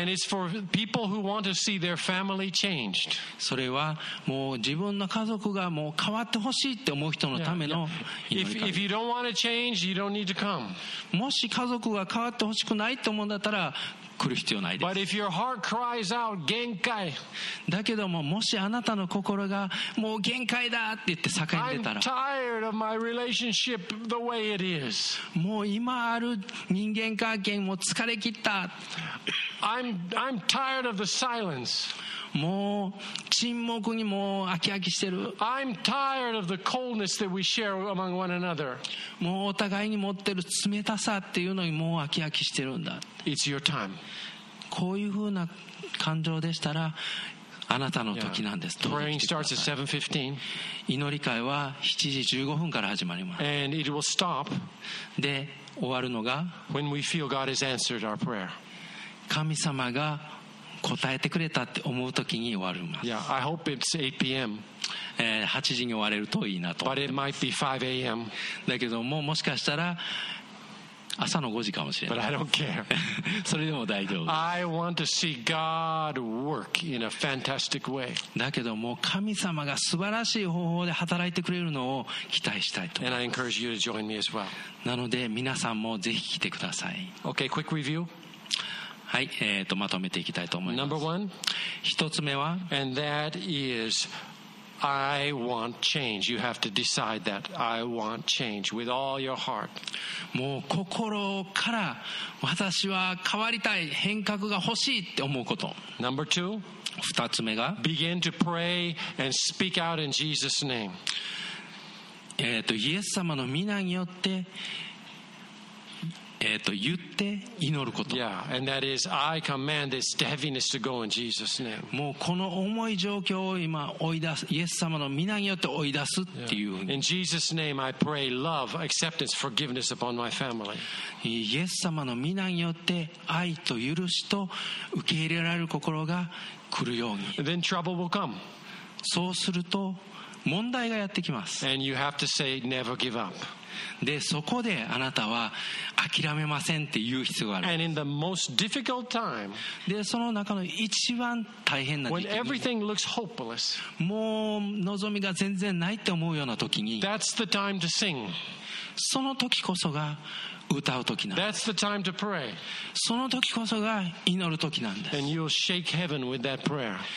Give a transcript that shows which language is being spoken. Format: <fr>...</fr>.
<en>And it's for people who want to see their family changed.</en> <ja>それはもう自分の家族がもう変わってほしいって思う人のための祈り会。</ja> <en>Yeah. If you don't want to change, you don't need to come.</en> <ja>もし家族が変わってほしくないと思うんだったら来る必要ないです。</ja> <en>But if your heart cries out, 限界。</en> <ja>だけどももしあなたの心がもう限界だって言って叫んでたら。</ja> <en>I'm tired of my relationship the way it is.</en> <ja>もう今ある人間関係も疲れ切った。</ja> <en>I'm tired of the silence.</en> <ja>もう沈黙にもう飽き飽きしてる。</ja> <en>I'm tired of the coldness that we share among one another.</en> <ja>もうお互いに持ってる冷たさっていうのにもう飽き飽きしてるんだ。</ja> <en>It's your time.</en> <ja>こういうふうな感情でしたら。あなたの時なんです。</ja> <en>Praying starts at 7:15.</en> <ja>祈り会は7時15分から始まります。</ja> <en>And it will stop.</en> <ja>で、終わるのが</ja> <en>when we feel God has answered our prayer.</en> <ja>神様が答えてくれたって思う時に終わります。</ja> <en>Yeah, I hope it's 8 p.m.</en> <ja>8時に終われるといいなと。</ja> <en>But it might be 5 a.m.</en> <ja>だけども、もしかしたら朝の5時かもしれない。</ja> <en>But I don't care.</en> <ja>それでも大丈夫。</ja> <en>I want to see God work in a fantastic way.</en> <ja>だけども神様が素晴らしい方法で働いてくれるのを期待したいと思います。</ja> <en>And I encourage you to join me as well.</en> <ja>なので皆さんもぜひ来てください。</ja> <en>Okay, quick review.</en> <ja>はい、まとめていきたいと思います。</ja> <en>Number one,</en> <ja>一つ目は</ja> <en>And that is I want change. You have to decide that I want change with all your heart.</en> <ja>もう心から私は変わりたい、変革が欲しいって思うこと。</ja> <en>Number two,</en> <ja>二つ目が</ja> <en>Begin to pray and speak out in Jesus' name.</en> <ja>イエス様の御名によって言って祈ること。</ja> <en>Yeah, and that is, I command this heaviness to go in Jesus' name.</en> <ja>もうこの重い状況を今追い出す、イエス様の御名によって追い出すっていう。</ja> <en>In Jesus' name, I pray love, acceptance, forgiveness upon my family.</en> <ja>イエス様の御名によって愛と許しと受け入れられる心が来るように。</ja> <en>Then trouble will come.</en> <ja>そうすると問題がやってきます。</ja> <en>And you have to say, never give up.</en> <ja>でそこであなたは諦めませんって言う必要がある。</ja> <en>And in the most difficult time,</en> <ja>でその中の一番大変な時期に</ja> <en>when everything looks hopeless,</en> <ja>もう望みが全然ないって思うような時に</ja> <en>that's the time to sing.</en> <ja>その時こそが歌う時なんです。</ja> <en>That's the time to pray.</en> <ja>その時こそが祈る時なんです。</ja> <en>And you'll shake heaven with that prayer.</en>